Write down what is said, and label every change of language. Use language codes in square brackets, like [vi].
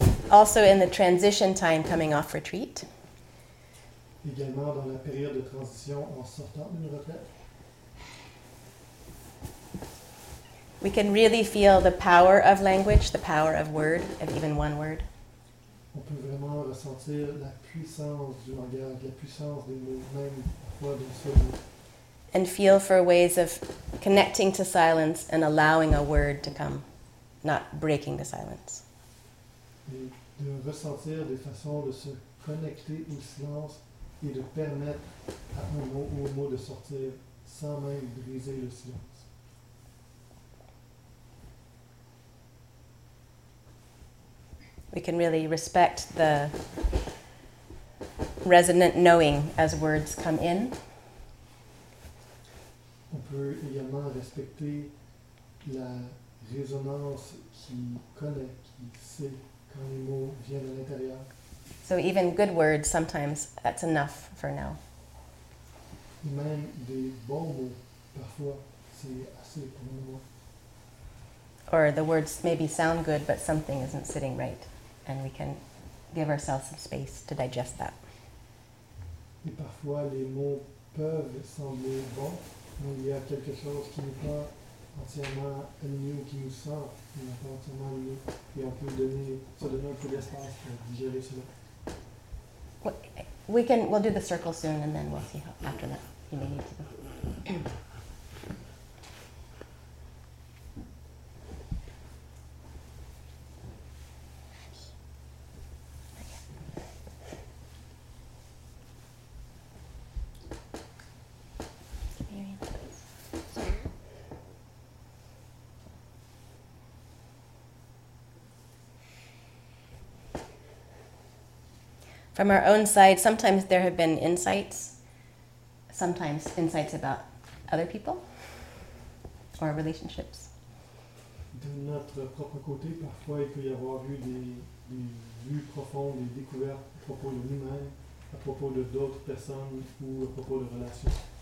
[en] Also in the transition time coming off retreat. [fr] Également dans la période de transition en sortant d'une retraite. [en] We can really feel the power of language, the power of word, of even one word. [fr] On peut vraiment ressentir la puissance du langage, la puissance des mots, même parfois d'un seul mot. [en] And feel for ways of connecting to silence and allowing a word to come, not breaking the silence. [fr] Et de ressentir des façons de se connecter au silence et de permettre à un mot ou un mot de sortir sans même briser le silence. [en] We can really respect the resonant knowing as words come in. [fr] On peut également respecter la résonance qui connaît, qui sait quand les mots viennent à l'intérieur. [en] So even good words, sometimes that's enough for now. [fr] Même des bons mots, parfois, c'est assez pour moi. [en] Or the words maybe sound good, but something isn't sitting right. And we can give ourselves some space to digest that. [fr] Et parfois les mots peuvent sembler bons, mais il y a quelque chose qui n'est pas entièrement aligné ou qui nous sort, qui n'est pas entièrement aligné, et on peut se donner un peu d'espace pour digérer cela. [en] We'll do the circle soon, and then we'll see how after that you may need to go. From our own side, sometimes there have been insights, sometimes insights about other people or relationships. [fr] De notre propre côté, parfois il peut y avoir eu des vues profondes, des découvertes à propos de nous-mêmes, à propos de d'autres personnes ou à propos de relations.